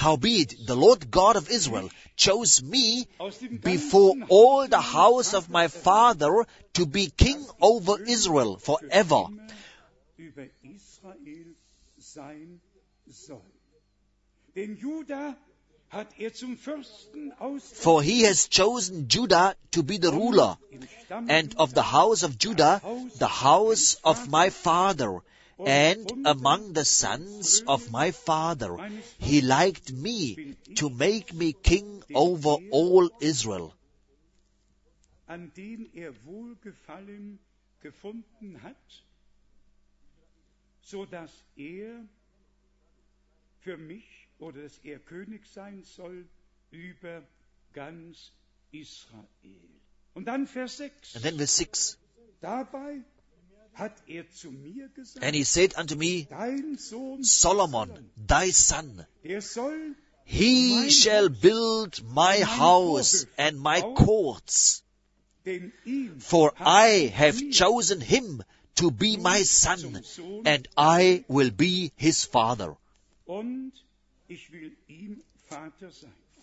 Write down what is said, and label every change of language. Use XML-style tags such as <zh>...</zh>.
<en>howbeit, the Lord God of Israel chose me before all the house of my father to be king over Israel forever.</en> <de>Über Israel sein soll. Denn Judah hat er zum Fürsten ausgewählt.</de> <en>For he has chosen Judah to be the ruler, and of the house of Judah, the house of my father. And among the sons of my father, he liked me to make me king over all Israel.</en> <de>An den er wohlgefallen gefunden hat, so dass er für mich, oder dass er König sein soll über ganz Israel. Und dann Vers 6.</de> <en>And then verse 6.</en> <de>Dabei hat er zu mir gesagt,</de> <en>and he said unto me,</en> <de>dein Sohn</de> <en>Solomon, thy son,</en> <de>er soll,</de> <en>he shall build my house and my courts, for I have chosen him to be my son, and I will be his father.</en> <de>Und ich will ihm Vater sein.</de>